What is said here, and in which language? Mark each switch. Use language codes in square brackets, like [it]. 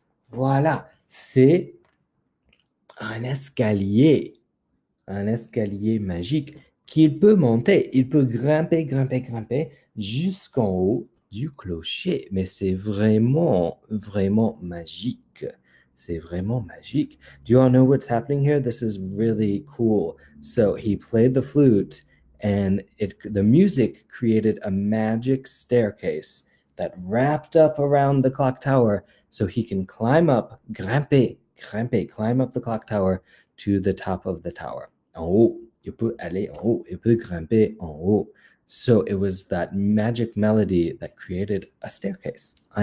[fr] Voilà, c'est un escalier magique qu'il peut monter. Il peut grimper jusqu'en haut du clocher, mais c'est vraiment, vraiment magique. C'est vraiment magique. [en] Do you all know what's happening here? This is really cool. So he played the flute and the music created a magic staircase that wrapped up around the clock tower so he can climb up, grimper, climb up the clock tower to the top of the tower. [fr] En haut, il peut aller en haut, il peut grimper en haut. [en] So it was that magic melody that created a staircase.